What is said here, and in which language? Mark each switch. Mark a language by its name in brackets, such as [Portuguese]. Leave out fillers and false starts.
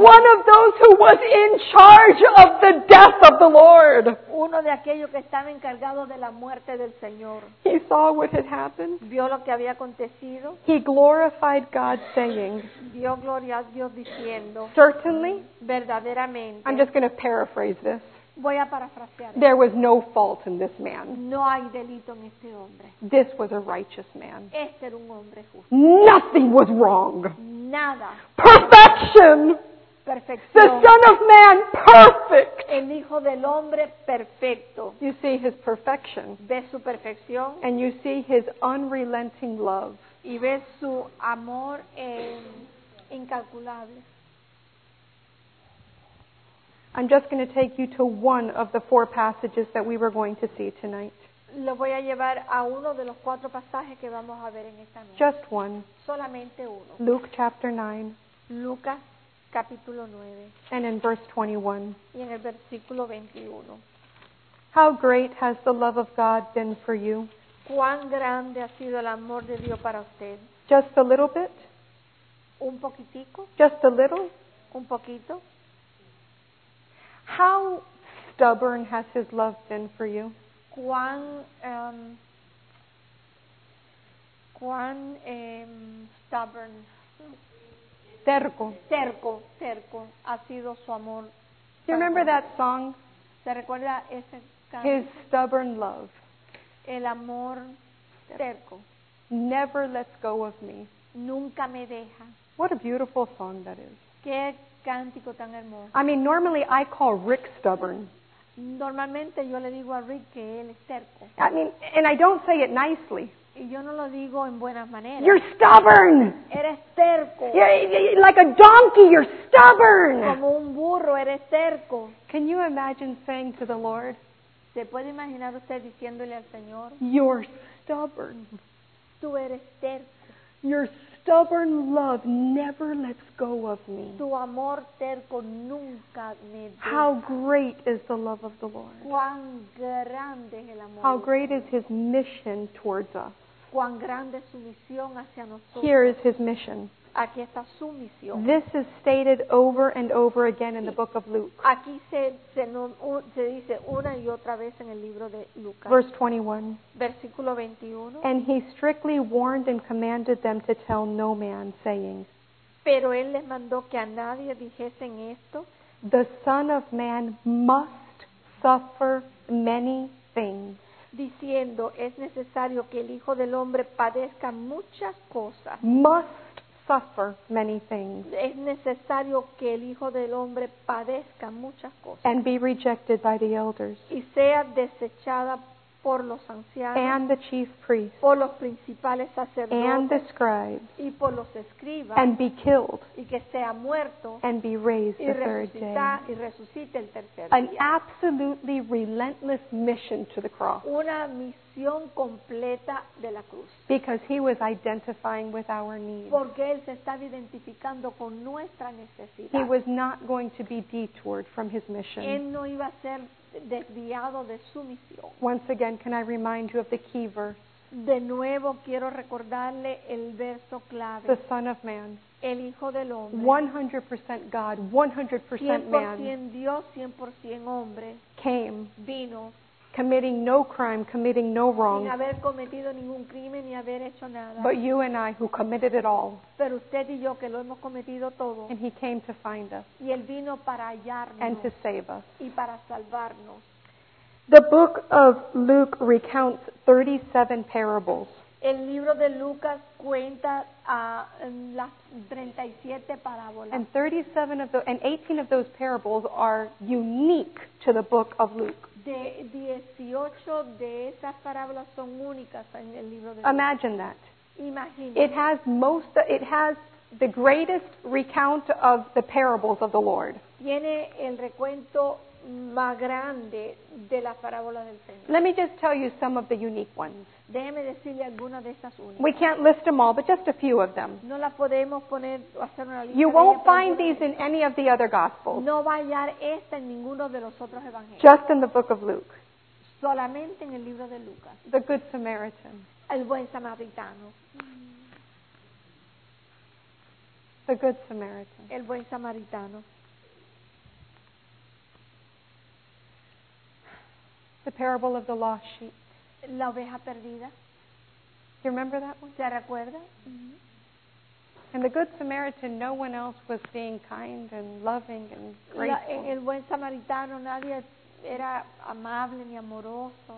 [English] one of those who was in charge of the death of the Lord, [Spanish] uno de aquellos que estaba encargado de la muerte del Señor. [English] He saw what had happened. [Spanish] Vio lo que había acontecido. [English] He glorified God, saying, [Spanish] dio gloria a Dios diciendo, [English] certainly, [Spanish] verdaderamente, [English] I'm just going to paraphrase this. [Spanish] Voy a parafrasear. [English] There was no fault in this man. [Spanish] No hay delito en este hombre. [English] This was a righteous man. [Spanish] Este era un hombre justo. [English] Nothing was wrong. [Spanish] Nada. [English] Perfection. [Spanish] Perfección. [English] The Son of Man, perfect. [Spanish] El Hijo del Hombre, perfecto. [English] You see his perfection. [Spanish] Ves su perfección. [English] And you see his unrelenting love. [Spanish] Y ves su amor incalculable. [English] I'm just going to take you to one of the four passages that we were going to see tonight. [Spanish] Lo voy a llevar a uno de los cuatro pasajes que vamos a ver en esta noche. [English] Just one. [Spanish] Solamente uno. [English] Luke chapter 9. [Spanish] Lucas capítulo 9. [English] And in verse 21. [Spanish] Y en el versículo 21. [English] How great has the love of God been for you? [Spanish] ¿Cuán grande ha sido el amor de Dios para usted? [English] Just a little bit? [Spanish] Un poquitico? [English] Just a little? [Spanish] Un poquito? [English] How stubborn has his love been for you? [Spanish] Cuán stubborn. Terco. Terco ha sido su amor [English] you remember that song? [Spanish] ¿Se recuerda ese canto? [English] His stubborn love. [Spanish] El amor terco. [English] Never lets go of me. [Spanish] Nunca me deja. [English] What a beautiful song that is. [Spanish] Qué cántico tan hermoso. [English] I mean, normally I call Rick stubborn. [Spanish] Normalmente yo le digo a Rick que él es terco. [English] I mean, and I don't say it nicely. [Spanish] Y yo no lo digo en buenas maneras. [English] You're stubborn. [Spanish] Eres terco. [English] You're like a donkey, you're stubborn. [Spanish] Como un burro, eres terco. [English] Can you imagine saying to the Lord? [Spanish] ¿Se puede imaginar usted diciéndole al Señor? [English] You're stubborn. [Spanish] Tú eres terco. [English] Your stubborn love never lets go of me. [Spanish] Tu amor terco nunca me deja. [English] How great is the love of the Lord. [Spanish] Cuán grande es el amor. [English] How great is His mission towards us. [Spanish] Cuán grande es su misión hacia nosotros. [English] Here is His mission. [Spanish] Aquí está su misión. [English] This is stated over and over again in the book of Luke. [Spanish] Aquí se dice una y otra vez en el libro de Lucas. [English] Verse 21. [Spanish] Versículo 21. [English] And He strictly warned and commanded them to tell no man, saying, [Spanish] pero Él les mandó que a nadie dijesen esto, [English] the Son of Man must suffer many things, [Spanish] diciendo, es necesario que el Hijo del Hombre padezca muchas cosas. [English] Must suffer many things. [Spanish] Es necesario que el Hijo del Hombre padezca muchas cosas. [English] And be rejected by the elders. [Spanish] Y sea desechada por los ancianos. [English] And the chief priests. [Spanish] Por los principales sacerdotes. [English] And the scribes. [Spanish] Y por los escribas. [English] And be killed. [Spanish] Y que sea muerto. [English] And be raised the third day. [Spanish] Y resucite el tercer día. [English] An absolutely relentless mission to the cross. [Spanish] Una misión completa de la cruz. [English] Because He was identifying with our needs. [Spanish] Porque Él se estaba identificando con nuestra necesidad. [English] He was not going to be detoured from His mission. [Spanish] Él no iba a ser desviado de su misión. [English] Once again, can I remind you of the key verse? [Spanish] De nuevo quiero recordarle el verso clave. [English] The Son of Man. [Spanish] El Hijo del Hombre. [English] 100% God, 100% man. [Spanish] 100% Dios, 100% hombre. [English] Came. [Spanish] Vino. [English] Committing no crime, committing no wrong. [Spanish] Sin haber cometido ningún crimen ni haber hecho nada. [English] But you and I who committed it all. [Spanish] Pero usted y yo que lo hemos cometido todo. [English] And He came to find us. [Spanish] Y Él vino para hallarnos. [English] And to save us. [Spanish] Y para salvarnos. [English] The book of Luke recounts 37 parables. [Spanish] El libro de Lucas cuenta las 37 parábolas. [English] And 37 of those, and 18 of those parables are unique to the book of Luke. [Spanish] De 18 de esas parábolas son únicas en el libro de [English] Imagine Luz. That. [Spanish] Imagine. [English] It has most it has the greatest recount of the parables of the Lord. [Spanish] Tiene el recuento más grande de las parábolas del Señor. [English] Let me just tell you some of the unique ones. [Spanish] Déjeme decirle algunas de esas únicas. [English] We can't list them all, but just a few of them. [Spanish] No las podemos poner o hacer una lista. [English] You won't find these in any of the other gospels. [Spanish] No va a hallar esta en ninguno de los otros evangelios. [English] Just in the book of Luke. [Spanish] Solamente en el libro de Lucas. [English] The Good Samaritan. [Spanish] El buen samaritano. [English] The Good Samaritan. [Spanish] El buen samaritano. [English] The parable of the lost sheep. [Spanish] La oveja perdida. [English] Do you remember that one? [Spanish] ¿Se recuerda? Mm-hmm. [English] And the Good Samaritan, no one else was being kind and loving and grateful. [Spanish] El buen samaritano, nadie era amable ni amoroso.